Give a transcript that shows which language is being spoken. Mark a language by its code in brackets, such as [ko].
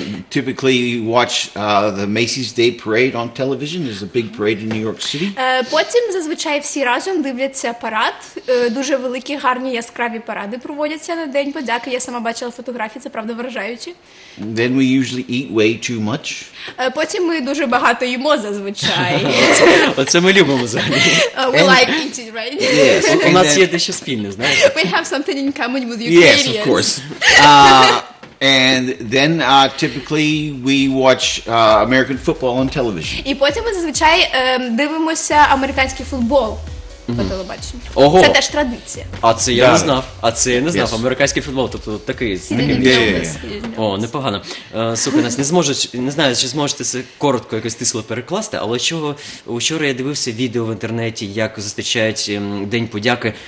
[en] Typically you watch the Macy's Day Parade on television. There's a big parade in New York City. [uk] Потім зазвичай всі разом дивляться парад. Дуже великі, гарні, яскраві паради проводяться на День подяки. Я сама бачила фотографії, це правда вражаюче. [en] Then we usually eat way too much. [uk] Потім ми дуже багато їмо зазвичай. Оце ми любимо взагалі. [en] We like eating, right? Yes. [uk] У нас є дещо спільне, знаєте? [en] We have something in common with you. Yes, of course. And then typically we watch American football on television. [uk] І потім ми зазвичай дивимося американський футбол по телебаченню. Ого. Це теж традиція. А це я не знав. Американський футбол, тобто такий знаменитий. О, непогано. Слухай, нас не зможуть, не знаю, чи зможете це коротко якось стисло перекласти, але чого вчора я дивився відео в інтернеті, як зустрічають День подяки.